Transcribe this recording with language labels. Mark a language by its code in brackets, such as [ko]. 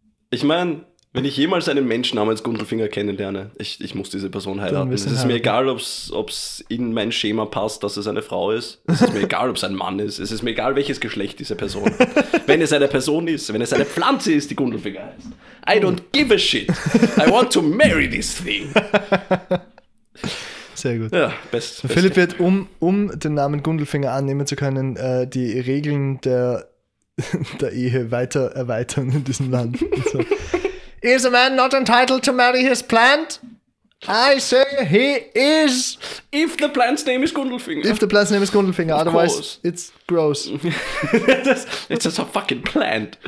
[de] ich meine, wenn ich jemals einen Menschen namens Gundelfinger kennenlerne, ich muss diese Person heiraten. Es ist mir egal, ob's in mein Schema passt, dass es eine Frau ist. Es ist mir egal, ob es ein Mann ist. Es ist mir egal, welches Geschlecht diese Person hat. Wenn es eine Person ist, wenn es eine Pflanze ist, die Gundelfinger heißt. [en] I don't give a shit. I want to marry this thing. [de] Sehr gut. Ja, best. Philipp wird, um den Namen Gundelfinger annehmen zu können, die Regeln der Ehe weiter erweitern in diesem Land. [en] So. Is a man not entitled to marry his plant? I say he is. If the plant's name is Gundelfinger. If the plant's name is Gundelfinger, otherwise it's gross. It's just a fucking plant.